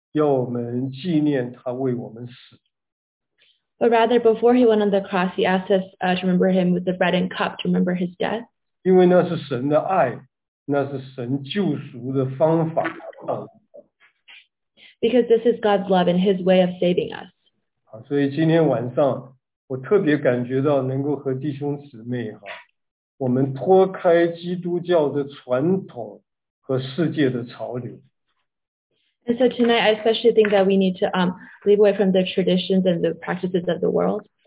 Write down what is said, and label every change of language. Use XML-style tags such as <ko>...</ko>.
<zh>反而呢，主在上十字架以前为我们设立饼和杯，要我们纪念他为我们死。</zh> <en>But rather, before he went on the cross, he asked us to remember him with the bread and cup to remember his death.</en> <zh>因为那是神的爱，那是神救赎的方法。</zh> <en>Because this is God's love and his way of saving us.</en> <zh>所以今天晚上，我特别感觉到能够和弟兄姊妹，我们脱开基督教的传统和世界的潮流。</zh> <en>And so tonight, I especially think that we need to leave away from the traditions and the practices of the world.</en>